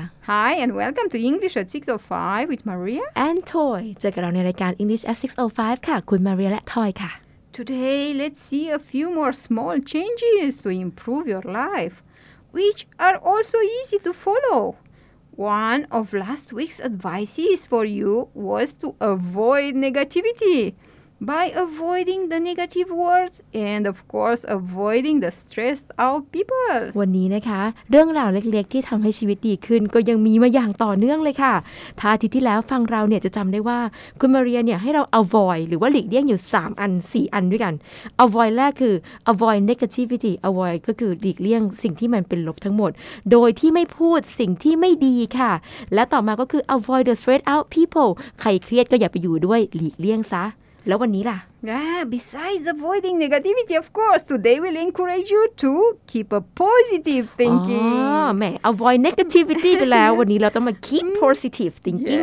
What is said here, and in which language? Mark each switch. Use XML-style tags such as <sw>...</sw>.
<en>Hi and welcome to English at 6:05 with Maria</en> <th>and Toy เจอกับเราในรายการ English at 6:05 ค่ะคุณ Maria และ Toy ค่ะ</th> <en>Today let's see a few more small changes to improve your life which are also easy to follow One of last week's advices for you was to avoid negativity by avoiding the negative words and of course avoiding the stressed out people</en> <th>วันนี้นะคะเรื่องราวเล็กๆที่ทำให้ชีวิตดีขึ้นก็ยังมีมาอย่างต่อเนื่องเลยค่ะถ้าที่ที่แล้วฟังเราเนี่ยจะจำได้ว่าคุณมาเรียเนี่ยให้เรา avoid หรือว่าหลีกเลี่ยงอยู่3อัน4อันด้วยกัน avoid แรกคือ avoid negativity avoid ก็คือหลีกเลี่ยงสิ่งที่มันเป็นลบทั้งหมดโดยที่ไม่พูดสิ่งที่ไม่ดีค่ะและต่อมาก็คือ</th> <en>avoid the stressed out people</en> <th>ใครเครียดก็อย่าไปอยู่ด้วยหลีกเลี่ยงซะแล้ววันนี้ล่ะ</th> <en>Yeah, besides avoiding negativity, of course, today we'll encourage you to keep a positive thinking.</en> <th>Oh, แม่ avoid negativity ไปแล้ว วันนี้เราต้องมา</th> <en>keep positive thinking</en>